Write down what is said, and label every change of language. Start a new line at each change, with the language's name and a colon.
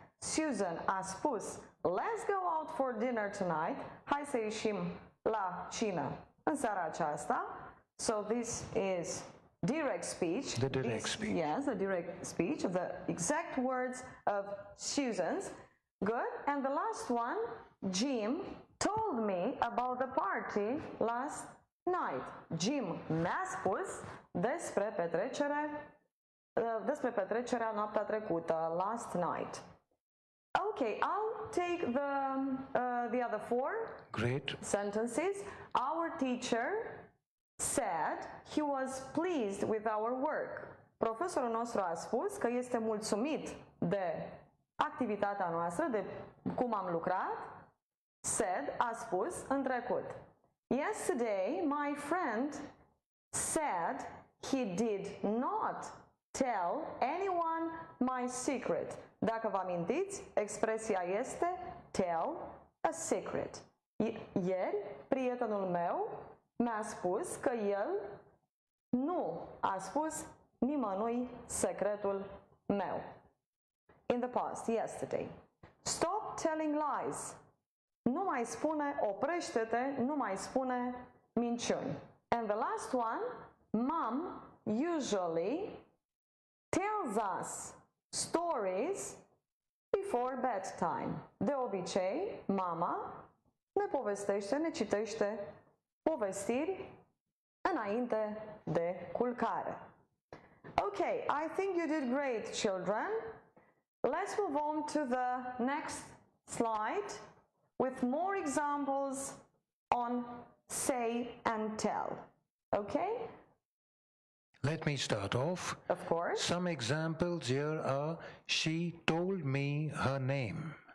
Romanian: Susan a spus,
English: let's go out for dinner tonight.
Romanian: Hai să ieșim la cină în seara aceasta.
English: So this is direct speech. The direct speech. Yes, the direct speech of the exact words of Susan's. Good. And the last one, Jim told me about the party last night.
Romanian: Jim mi-a spus despre petrecerea noaptea trecută,
English: last night. Okay, I'll take the other four. Great. Sentences. Our teacher said he was pleased with our work.
Romanian: Profesorul nostru a spus că este mulțumit de activitatea noastră, de cum am lucrat.
English: Said,
Romanian: a spus, în trecut.
English: Yesterday, my friend said he did not tell anyone my secret.
Romanian: Dacă vă amintiți, expresia este
English: tell a secret.
Romanian: Ieri, prietenul meu mi-a spus că el nu a spus nimănui secretul meu.
English: In the past, yesterday. Stop telling lies.
Romanian: Nu mai spune, oprește-te, nu mai spune minciuni.
English: And the last one, mom usually tells us stories before bedtime.
Romanian: De obicei, mama ne povestește, ne citește povestiri înainte de culcare.
English: Okay, I think you did great, children. Let's move on to the next slide with more examples on say and tell. Okay? Let me start off. Of course. Some examples here are, she told me her name.